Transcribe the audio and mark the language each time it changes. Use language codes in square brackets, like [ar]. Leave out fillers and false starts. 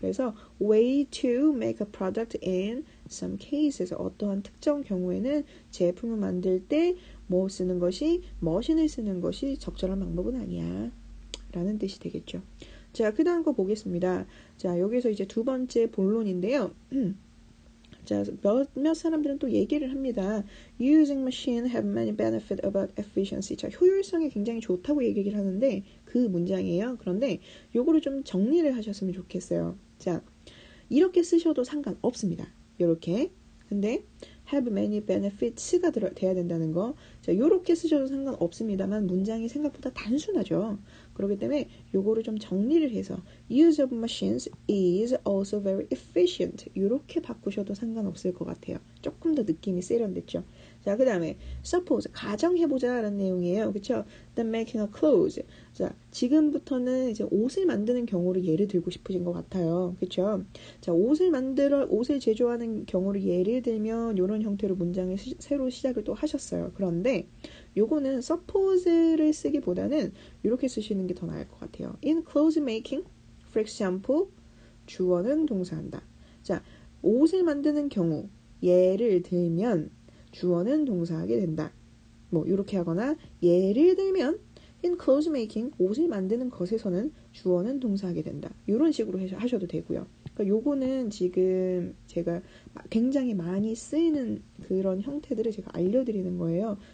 [ko] 그래서 way to make a product in some cases 어떠한 특정 경우에는 제품을 만들 때뭐 쓰는 것이 머신을 쓰는 것이 적절한 방법은 아니야라는 뜻이 되겠죠. 자, 그다음 거 보겠습니다. 자, 여기서 이제 두 번째 본론인데요. 자, 몇 사람들은 또 얘기를 합니다. [en] Using machine have many benefit about efficiency. [ko] 자, 효율성이 굉장히 좋다고 얘기를 하는데 그 문장이에요. 그런데 요거를 좀 정리를 하셨으면 좋겠어요. 자, 이렇게 쓰셔도 상관없습니다. 요렇게. 근데 have many benefits가 돼야 된다는 거. 자, 요렇게 쓰셔도 상관없습니다만 문장이 생각보다 단순하죠. 그렇기 때문에 요거를 좀 정리를 해서 use of machines is also very efficient 이렇게 바꾸셔도 상관없을 것 같아요. 조금 더 느낌이 세련됐죠. 자, 그다음에 suppose 가정해보자라는 내용이에요, 그렇죠? [en] The making of clothes. [ko] 자, 지금부터는 이제 옷을 만드는 경우를 예를 들고 싶으신 것 같아요, 그렇죠? 자, 옷을 제조하는 경우를 예를 들면 이런 형태로 문장을 새로 시작을 또 하셨어요. 그런데 요거는 suppose를 쓰기보다는 이렇게 쓰시는 게더 나을 것 같아요. [en] In clothes making, for example, 주어는 동사한다. [ko] 자, 옷을 만드는 경우 예를 들면 주어는 동사하게 된다. 뭐 이렇게 하거나 예를 들면 in clothes making 옷을 만드는 것에서는 주어는 동사하게 된다. 이런 식으로 하셔도 되고요. 그러니까 요거는 지금 제가 굉장히 많이 쓰이는 그런 형태들을 제가 알려드리는 거예요.